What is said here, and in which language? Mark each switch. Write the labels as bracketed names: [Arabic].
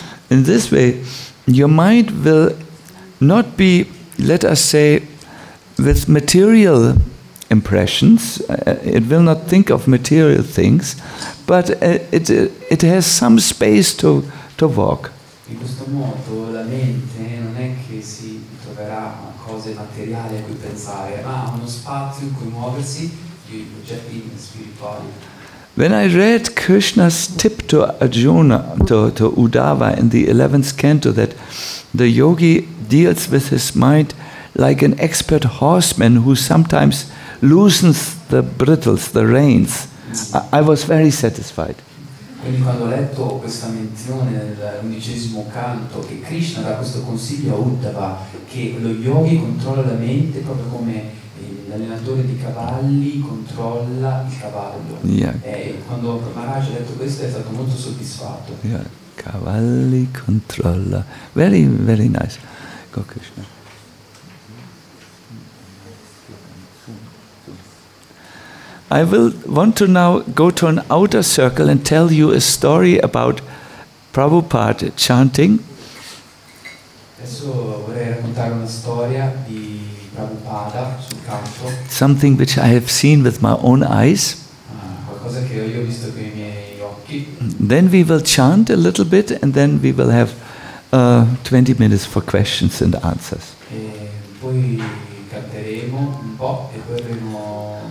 [English] In this way, your mind will not be, let us say, with material impressions. It will not think of material things, but it has some space to walk. [Italian] In questo modo la mente non è che si troverà a cose materiali a cui pensare, ma uno spazio in cui muoversi, gli oggetti spirituali. [English] When I read Krishna's tip to Arjuna, to Uddhava in the 11th canto, that the yogi deals with his mind like an expert horseman who sometimes loosens the bridles, the reins, I was very satisfied. [Italian] Quindi quando ho letto questa menzione nell'undicesimo canto, che Krishna dà questo consiglio a Uddhava, che lo yogi controlla la mente proprio come l'allenatore di cavalli controlla il cavallo. [English] Yeah. [Italian] Quando Maharaj ha detto questo è stato molto soddisfatto. [English] Yeah. [Italian] Cavalli controlla. [English] Very, very nice. Go Krishna. I will want to now go to an outer circle and tell you a story about Prabhupada chanting. [Italian] Adesso vorrei raccontare una storia di Prabhupada sul canto. [English] Something which I have seen with my own eyes. [Italian] Qualcosa che io ho visto con i miei occhi. [English] Then we will chant a little bit and then we will have 20 minutes for questions and answers. [Italian] E poi canteremo un po' e poi avremo